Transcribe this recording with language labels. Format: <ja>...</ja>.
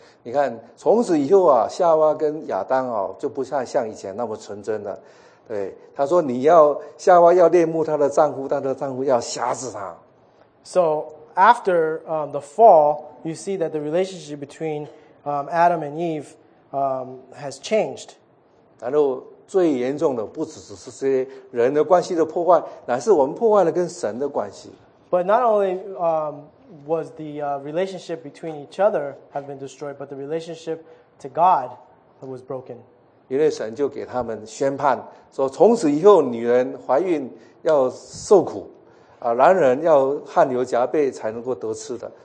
<zh>你看，从此以后啊，夏娃跟亚当啊，就不再像以前那么纯真了。对，他说你要夏娃要恋慕她的丈夫，她的丈夫要挟制她。</zh> <en>So. After the fall, you see that the relationship between Adam and Eve has changed.</en> <zh>然后最严重的不只是这些人的关系的破坏，乃是我们破坏了跟神的关系。</zh> <en>But not only was the relationship between each other have been destroyed, but the relationship to God was broken.</en> <zh>因为神就给他们宣判，说从此以后女人怀孕要受苦。男人要汗流浃背才能够得吃的。</zh>